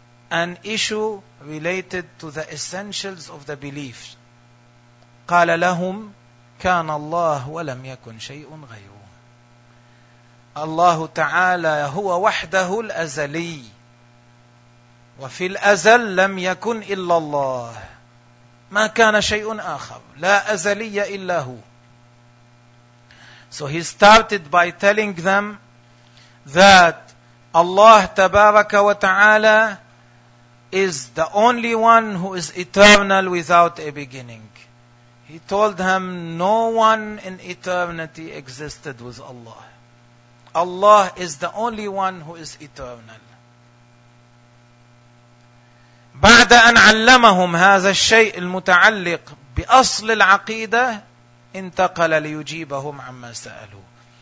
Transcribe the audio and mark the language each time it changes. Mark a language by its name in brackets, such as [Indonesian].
[English] An issue related to the essentials of the belief. [Arabic] قال لهم كان الله ولم يكن شيء غيره. الله تعالى هو وحده الأزلي، وفي الأزل لم يكن إلا الله. ما كان شيء آخر لا أزلي إلا هو. [English] So he started by telling them that Allah [Arabic] تبارك وتعالى [English] is the only one who is eternal without a beginning. He told them no one in eternity existed with Allah. Allah is the only one who is eternal. [Arabic] بعد أن علمهم هذا الشيء المتعلق بأصل العقيدة انتقل ليجيبهم عما سألوا.